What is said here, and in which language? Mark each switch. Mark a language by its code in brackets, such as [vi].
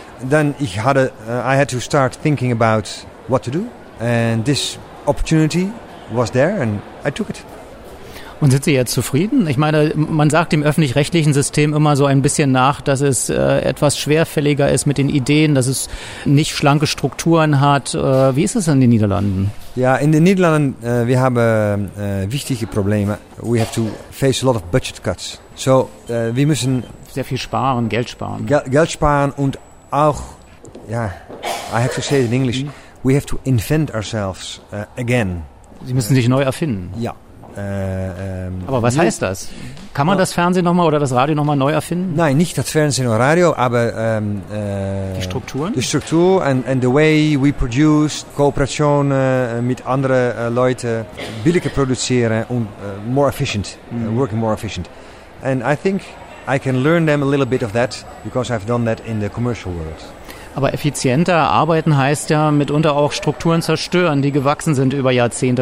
[en] Dann I had to start thinking about what to do. And this opportunity was there and I took it. [de] Und sind Sie jetzt zufrieden? Ich meine, man sagt dem öffentlich-rechtlichen System immer so ein bisschen nach, dass es etwas schwerfälliger ist mit den Ideen, dass es nicht schlanke Strukturen hat. Wie ist es in den Niederlanden? Ja, in den Niederlanden, wir haben wichtige Probleme. [en] We have to face a lot of budget cuts. So, [de] wir müssen sehr viel sparen, Geld sparen. Geld sparen und auch, ja, [en] I have to say it in English, we have to invent ourselves again. [de] Sie müssen sich neu erfinden. Ja. Aber was heißt das? Kann man das Fernsehen nochmal oder das Radio nochmal neu erfinden? Nein, nicht das Fernsehen oder Radio, aber die Strukturen? Die Struktur [en] and the way we produce, [de] Kooperation mit anderen Leuten, billiger produzieren und [en] more efficient, working more efficient. And I think I can learn them a little bit of that, because I've done that in the commercial world. [de] Aber effizienter arbeiten heißt ja mitunter auch Strukturen zerstören, die gewachsen sind über Jahrzehnte.